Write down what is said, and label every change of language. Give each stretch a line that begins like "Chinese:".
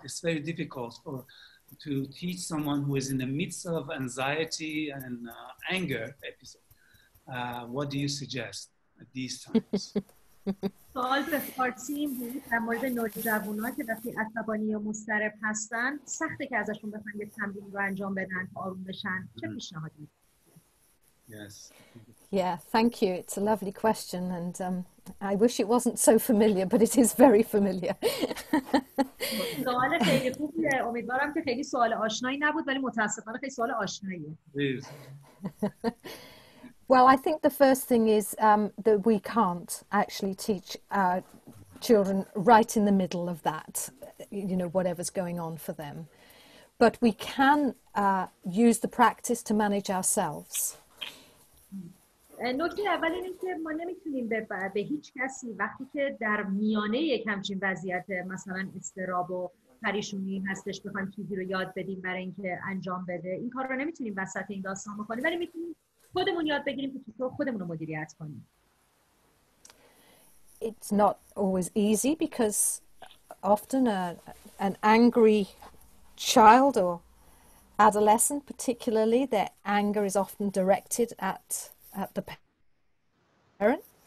English: It's very difficult to teach someone who is in the midst of anxiety and anger episode. What do you suggest at these times?
Persian: سوال به فارسی این بود در مورد نوجوان ها که وقتی عصبانی و مضطرب هستن سخته که ازشون بخوان یه تمرین رو انجام بدن که آروم بشن. چه پیشنهادی میدید؟
English: Yes. Yeah, thank you. It's a lovely question, and I wish it wasn't so familiar, but it is very familiar.
Persian: سوال خیلی خوبیه. امیدوارم که خیلی سوال آشنایی نبود، ولی متاسفانه خیلی سوال آشناییه.
English: Well, I think the first thing is that we can't actually teach our children right in the middle of that, you know, whatever's going on for them. But we can use the practice to manage ourselves.
Persian: نکته اول اینه که ما نمیتونیم به هیچ کسی وقتی که در میانه یک همچین وضعیت مثلا اضطراب و پریشونی هستش بخوایم چیزی رو یاد بدیم برای اینکه انجام بده. این کار رو نمیتونیم وسط این داستان بکنیم، ولی میتونیم خودمون یاد بگیریم که چطور خودمون رو مدیریت کنیم.
English: It's not always easy because often an angry child or adolescent particularly, their anger is often directed at the parent.